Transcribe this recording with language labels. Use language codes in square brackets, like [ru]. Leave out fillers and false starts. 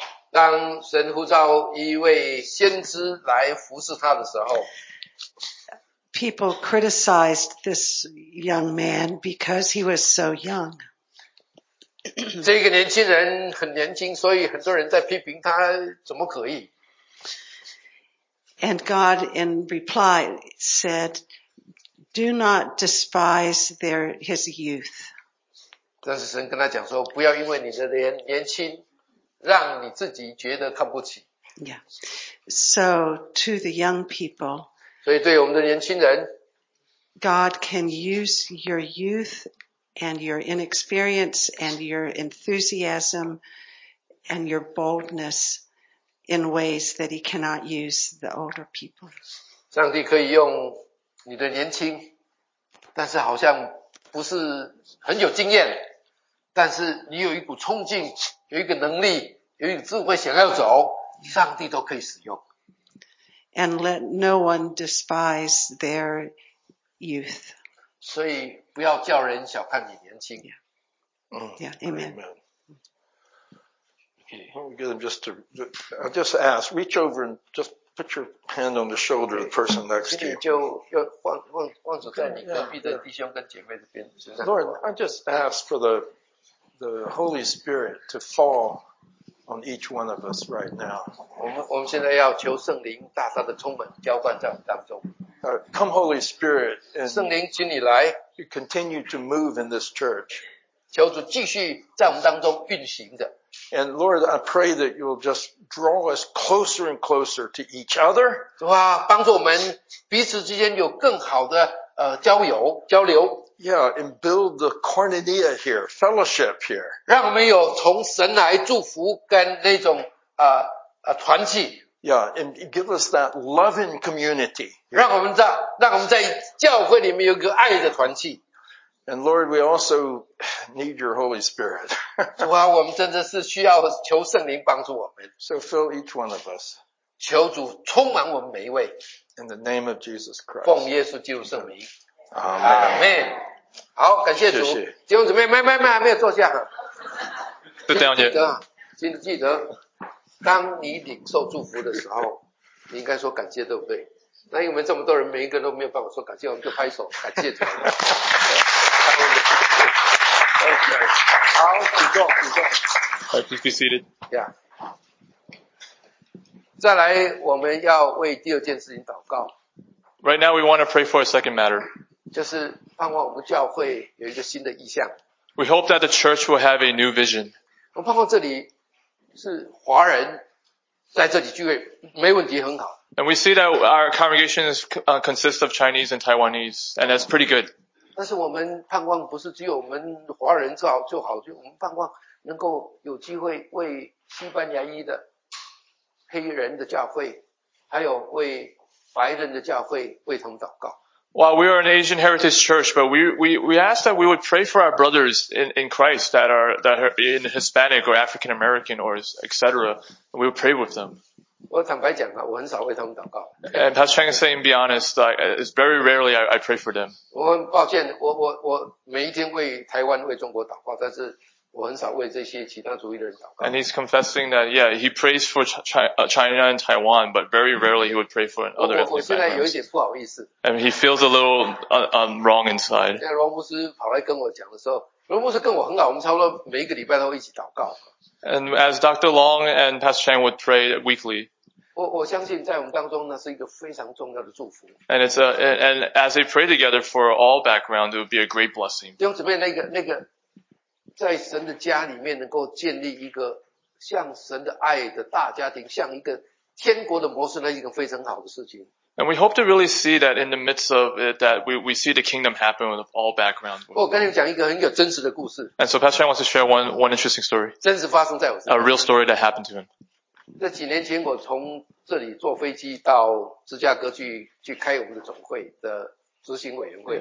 [zh] 当神呼召一位先知来服侍他的时候 [en] people criticized this young man because he was so young. [zh] 这个年轻人很年轻，所以很多人在批评他怎么可以。 [en] And God in reply said,Do not despise his youth. [zh] 但是神跟他讲说，不要因为你的年轻，让你自己觉得看不起。 [en] Yeah. So to the young people. [zh] 所以对我们的年轻人 [en] ，God can use your youth and your inexperience and your enthusiasm and your boldness in ways that He cannot use the older people. [zh] 上帝可以用你的年轻。但是好像不是很有经验，但是你有一股冲劲，有一个能力，有一个智慧想要走，上帝都可以使用。 [en] And let no one despise their youth. [zh] 所以不要叫人小看你年轻。 [en] Yeah. Yeah. Amen. Amen. Okay. We'll get them just ask. Reach over and just. Put your hand on the shoulder of the person next to you. Lord, I just ask for the Holy Spirit to fall on each one of us right now. Come Holy Spirit, and [zh] 圣灵请你来 [en] you continue to move in this church. [zh] 求主继续在我们当中运行着。 [en] And Lord, I pray that you'll just draw us closer and closer to each other. [zh] 主啊，帮助我们彼此之间有更好的交流。 [en] Yeah, and build the koinonia here, fellowship here. [zh] 让我们有从神来祝福跟那种团契。 [en] Yeah, and give us that loving community. [zh] 让我们在教会里面有个爱的团契。 [en] And Lord, we also need your Holy Spirit. [zh] 主啊，我们真的是需要求圣灵帮助我们。 [en] So fill each one of us. [zh] 求主充满我们每一位。 [en] In the name of Jesus Christ. [zh] 奉耶稣基督圣名。 [en] Amen. [zh] 好，感谢主。谢谢。弟兄姊妹，没有，没有坐下。就这样子。记得，当你领受祝福的时候，你应该说感谢，对不对？那因为我们这么多人，每一个都没有办法说感谢，我们就拍手感谢主。 [en] Okay. All right, please be seated. Yeah. [zh] 再来，我们要为第二件事情祷告。 [en] Right now, we want to pray for a second matter. [zh] 就是盼望我们教会有一个新的意象。 [en] We hope that the church will have a new vision. [zh] 我盼望这里是华人在这里聚会，没问题，很好。 [en] And we see that our congregation is consists of Chinese and Taiwanese, and that's pretty good. [zh] 但是我们盼望不是只有我们华人就好，就我们盼望能够有机会为西班牙裔的黑人的教会，还有为白人的教会为他们祷告。 [en] Well, we are an Asian heritage church, but we ask that we would pray for our brothers in Christ that are in Hispanic or African American or etc. We would pray with them. [zh] 我坦白讲啊，我很少为他们祷告。 [en] And Pastor Chang is saying, be honest, it's very rarely I pray for them. [zh] 我很抱歉，我每一天为台湾、为中国祷告，但是我很少为这些其他族裔的人祷告。 [en] And he's confessing that, yeah, he prays for China and Taiwan, but very rarely he would pray for other ethnic backgrounds. [zh] 我现在有一点不好意思。 [en] And he feels a little wrong inside. [zh] 现在罗牧师跑来跟我讲的时候，罗牧师跟我很好，我们差不多每一个礼拜都会一起祷告。 [en] And as Dr. Long and Pastor Chang would pray weekly. [zh] 我相信在我们当中呢是一个非常重要的祝福。 [en] And it's and as they pray together for all background, it would be a great blessing. [zh] 弟兄姊妹，那个在神的家里面能够建立一个像神的爱的大家庭，像一个天国的模式，那是一个非常好的事情。 [en] And we hope to really see that in the midst of it, that we see the kingdom happen with all backgrounds. [zh] 我跟你讲一个很有真实的故事。 [en] And so Pastor Chang wants to share one interesting story. [zh] 真实发生在我身上。 [en] A real story that happened to him. [zh] 这几年前我从这里坐飞机到芝加哥去开我们的总会的执行委员会。